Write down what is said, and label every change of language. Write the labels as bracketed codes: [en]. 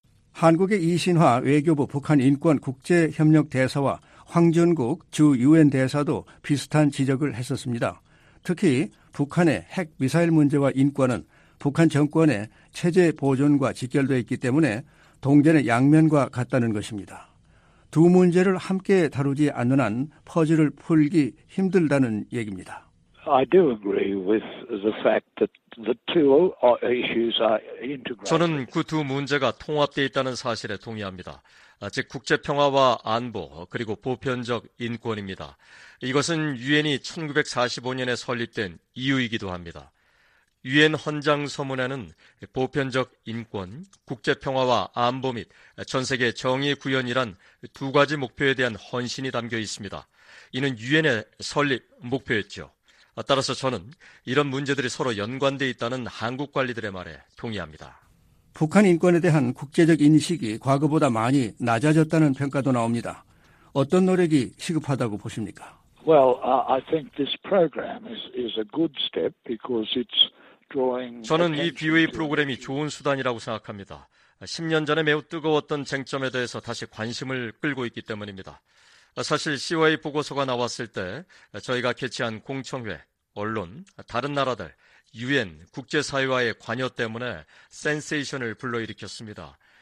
[ko] 한국의 이신화 외교부 북한인권국제협력대사와 황준국 주 유엔 대사도 비슷한 지적을 했었습니다. 특히 북한의 핵미사일 문제와 인권은 북한 정권의 체제 보존과 직결되어 있기 때문에 동전의 양면과 같다는 것입니다. 두 문제를 함께 다루지 않는 한 퍼즐을 풀기 힘들다는 얘기입니다. [en] I do agree with the fact that the two issues are integrated. [ko] 저는 그 두 문제가 통합되어 있다는 사실에 동의합니다. 즉 국제평화와 안보 그리고 보편적 인권입니다. 이것은 유엔이 1945년에 설립된 이유이기도 합니다. 유엔 헌장 서문에는 보편적 인권, 국제평화와 안보 및 전세계 정의 구현이란 두 가지 목표에 대한 헌신이 담겨 있습니다. 이는 유엔의 설립 목표였죠. 따라서 저는 이런 문제들이 서로 연관되어 있다는 한국 관리들의 말에 동의합니다. 북한 인권에 대한 국제적 인식이 과거보다 많이 낮아졌다는 평가도 나옵니다. 어떤 노력이 시급하다고 보십니까? [en] Well, I think this program is a good step because it's [ko] 저는 이 BOA 프로그램이 좋은 수단이라고 생각합니다. 10년 전에 매우 뜨거웠던 쟁점에 대해서 다시 관심을 끌고 있기 때문입니다. 사실 COA 보고서가 나왔을 때 저희가 개최한 공청회, 언론, 다른 나라들, 유엔, 국제사회와의 관여 때문에 센세이션을 불러일으켰습니다.